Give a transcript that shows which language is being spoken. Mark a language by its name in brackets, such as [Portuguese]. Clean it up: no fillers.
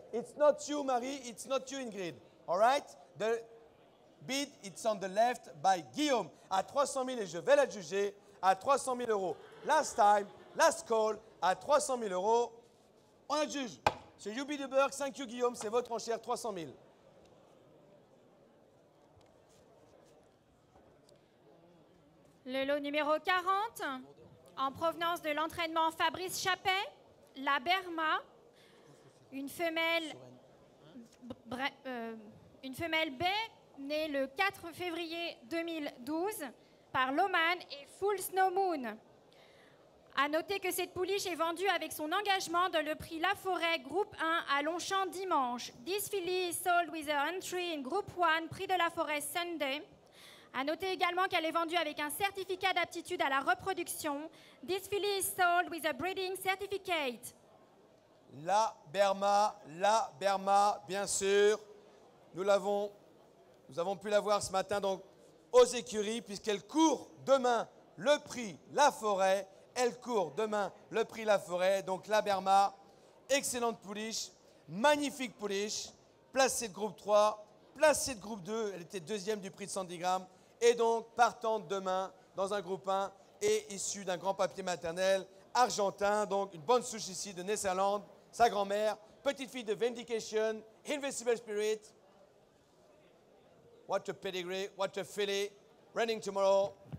[English] It's not you, Marie, it's not you, Ingrid. All right? The bid, it's on the left by Guillaume. [French] À 300 000, et je vais la juger, à 300 000 euros. [English] Last time, last call, [French] à 300 000 euros, on la juge. C'est Yubi de Berg, [English] thank you, [French] Guillaume, c'est votre enchère, 300 000. Le lot numéro 40. En provenance de l'entraînement Fabrice Chappet, la Berma, une femelle baie née le 4 février 2012 par Loman et Full Snow Moon. A noter que cette pouliche est vendue avec son engagement dans le prix La Forêt Groupe 1 à Longchamp dimanche. [English] This filly is sold with her entry in Group 1, prix de La Forêt Sunday. [French] A noter également qu'elle est vendue avec un certificat d'aptitude à la reproduction. [English] This filly is sold with a breeding certificate. [French] La Berma, bien sûr. Nous avons pu la voir ce matin donc, aux écuries, puisqu'elle court demain le prix La Forêt. Elle court demain le prix La Forêt. Donc la Berma, excellente pouliche, magnifique pouliche, placée de groupe 3, placée de groupe 2. Elle était deuxième du prix de 110 grammes. Et donc, partante demain dans un groupe 1 et issue d'un grand papier maternel argentin. Donc, une bonne souche ici de Netherland, sa grand-mère, petite fille de Vindication, Invincible Spirit. [English] What a pedigree, what a filly, running tomorrow.